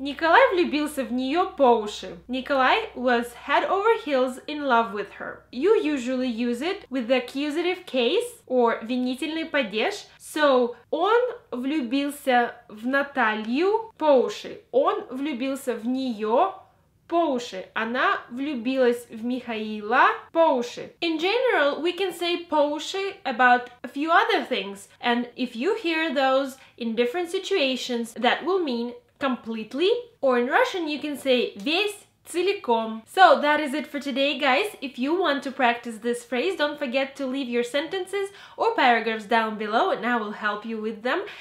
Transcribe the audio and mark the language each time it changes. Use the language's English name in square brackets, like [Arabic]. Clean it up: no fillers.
[Russian] Николай влюбился в нее по уши. [English] Николай was head over heels in love with her. You usually use it with the accusative case or [Russian] винительный падеж. So, он влюбился в Наталью по уши. Он влюбился в нее по уши. Она влюбилась в Михаила по уши. [English] In general, we can say [Russian] по уши [English] about a few other things. And if you hear those in different situations, that will mean completely. Or in Russian, you can say [Russian] весь. Целиком. [English] So that is it for today, guys. If you want to practice this phrase, don't forget to leave your sentences or paragraphs down below and I will help you with them.